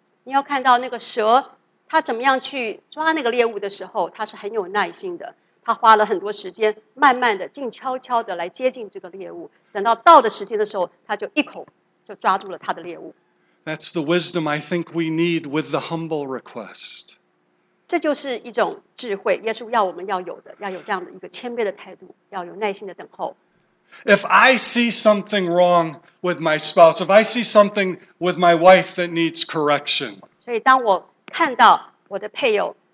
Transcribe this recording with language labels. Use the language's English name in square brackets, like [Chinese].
[Chinese] 你要看到那个蛇，它怎么样去抓那个猎物的时候，它是很有耐心的。他花了很多时间慢慢的静悄悄的来接近这个猎物，等到到的时间的时候，他就一口就抓住了他的猎物。 [English] That's the wisdom I think we need with the humble request. [Chinese] 这就是一种智慧，耶稣要我们要有的，要有这样的一个谦卑的态度，要有耐心的等候。 [English] If I see something wrong with my spouse, if I see something with my wife that needs correction, [Chinese] 所以当我看到我的配偶